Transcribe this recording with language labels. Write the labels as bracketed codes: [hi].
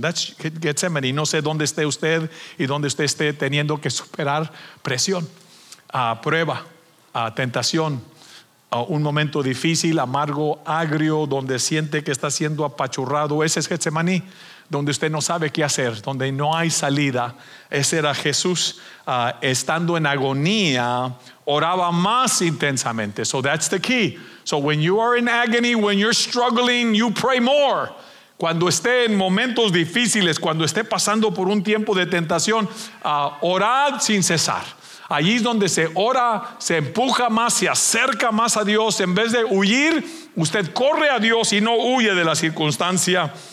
[en] That's [es] Getsemaní. No sé dónde esté usted y dónde usted esté teniendo que superar presión, prueba, tentación, un momento difícil, amargo, agrio, donde siente que está siendo apachurrado. Ese es Getsemaní, donde usted no sabe qué hacer, donde no hay salida. Ese era Jesús, estando en agonía, oraba más intensamente. [en] So that's the key. So when you are in agony, when you're struggling, you pray more. [es] Cuando esté en momentos difíciles, cuando esté pasando por un tiempo de tentación, orad sin cesar. Allí es donde se ora, se empuja más, se acerca más a Dios. En vez de huir, usted corre a Dios y no huye de la circunstancia.